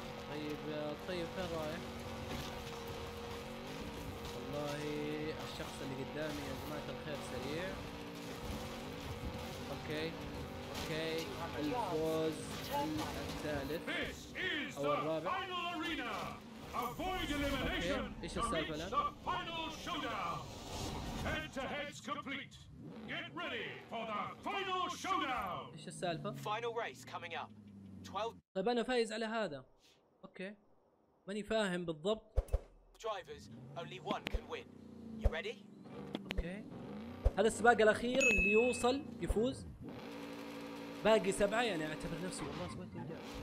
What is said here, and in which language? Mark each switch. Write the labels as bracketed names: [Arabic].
[Arabic] طيب طيب فين رايح؟ والله الشخص اللي قدامي يا جماعة الخير سريع. اوكي اوكي الفوز الثالث او الرابع. [English] Avoid elimination. Okay. Ish is the final showdown. Head to heads complete. Get ready for the final showdown. Ish is the final race coming up. [Arabic] 12. طيب انا فايز على هذا. اوكي. ماني فاهم بالضبط. [English] Drivers, only one can win. You ready? Okay. [Arabic] هذا السباق الاخير اللي يوصل يفوز. باقي 7 يعني اعتبر نفسي والله سويت اللي جاي.